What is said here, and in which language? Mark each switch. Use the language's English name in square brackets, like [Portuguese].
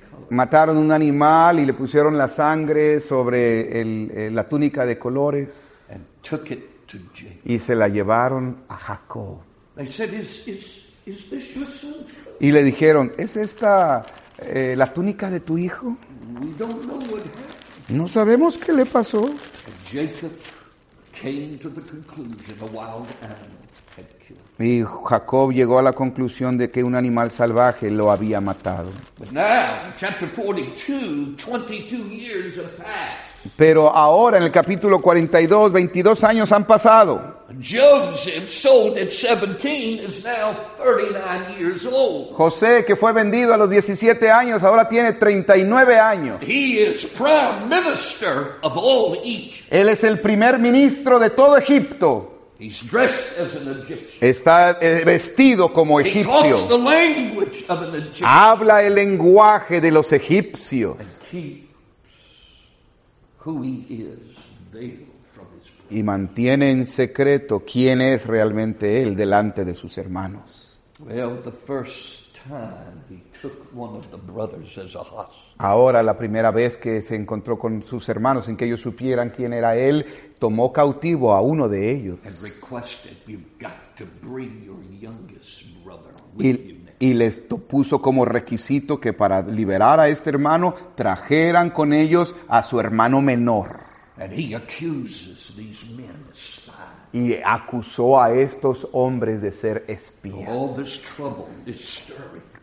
[Spanish] Mataron un animal y le pusieron la sangre sobre la túnica de colores. Y se la llevaron a Jacob. [English] They said, is this your son? [Spanish] Y le dijeron, ¿es esta la túnica de tu hijo? [English] We don't know what happened. [Spanish] No sabemos qué le pasó. [English] Jacob came to the conclusion a wild animal had killed. [Spanish] Y Jacob llegó a la conclusión de que un animal salvaje lo había matado. [English] But now, chapter 42, 22 years have passed. [Spanish] Pero ahora, en el capítulo 42, 22 años han pasado. [English] Joseph, sold at 17, is now 39 years old. [Spanish] José, que fue vendido a los 17 años, ahora tiene 39 años. [English] He is prime minister of all Egypt. [Spanish] Él es el primer ministro de todo Egipto. [English] He's dressed as an Egyptian. [Spanish] Está vestido como [English] he [Spanish] egipcio. [English] Talks the language of an Egyptian. [Spanish] Habla el lenguaje de los egipcios. [English] Who he is veiled from his brothers. [Spanish] Y mantiene en secreto quién es realmente él delante de sus hermanos. [English] Well, the first time he took one of the brothers as a hostage. [Spanish] Ahora, la primera vez que se encontró con sus hermanos sin que ellos supieran quién era él, tomó cautivo a uno de ellos. [English] And requested, you've got to bring your youngest brother with you. [Spanish] Y les puso como requisito que para liberar a este hermano trajeran con ellos a su hermano menor. [English] And he accuses these men of spies. [Spanish] Y acusó a estos hombres de ser espías. [English] All this trouble is stirring.